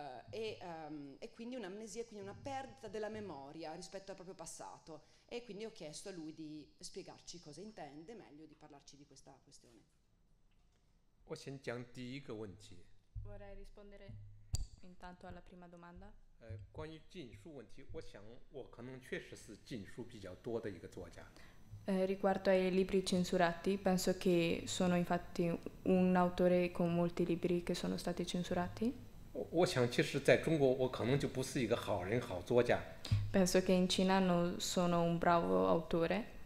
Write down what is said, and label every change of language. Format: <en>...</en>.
<it>E quindi un'amnesia, quindi una perdita della memoria rispetto al proprio passato. E quindi ho chiesto a lui di spiegarci cosa intende, meglio di parlarci di questa questione. Vorrei rispondere intanto alla prima domanda.</it> <zh>关于禁书问题，我想我可能确实是禁书比较多的一个作家。</zh> <it>Riguardo ai libri censurati, penso che sono infatti un autore con molti libri che sono stati censurati.</it> <zh>我想其实在中国我可能就不是一个好人好作家。</zh> <it>Penso che in Cina non sono un bravo autore.</it>